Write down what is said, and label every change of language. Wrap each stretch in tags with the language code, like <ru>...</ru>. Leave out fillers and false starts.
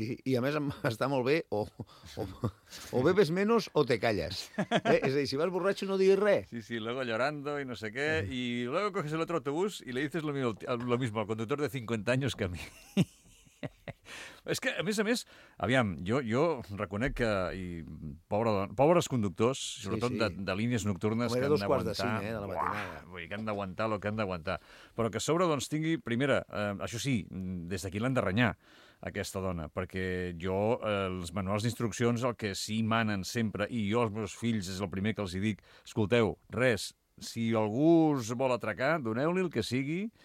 <ca>I a més està molt bé,</ca> <es>o bebes menos o te calles.</es> <ca>És a dir, si vas borratxo no diguis res.</ca> <es>Sí, luego llorando y no sé qué. Y luego coges el otro autobús y le dices lo mismo al conductor de 50 años que a mí.</es> <ca>És que, a més, aviam, jo reconec que, i pobres conductors, sobretot sí. De línies nocturnes que han d'aguantar... Com era dos quarts de 5, de la matinada. Vull dir, que han d'aguantar el que han d'aguantar. Però que a sobre, doncs, tingui, primera, això sí, des d'aquí l'han de renyar, aquesta dona, perquè jo, els manuals d'instruccions, el que sí manen sempre, i jo als meus fills és el primer que els hi dic, escolteu, res, si algú us vol atracar, doneu-li el que sigui...</ca>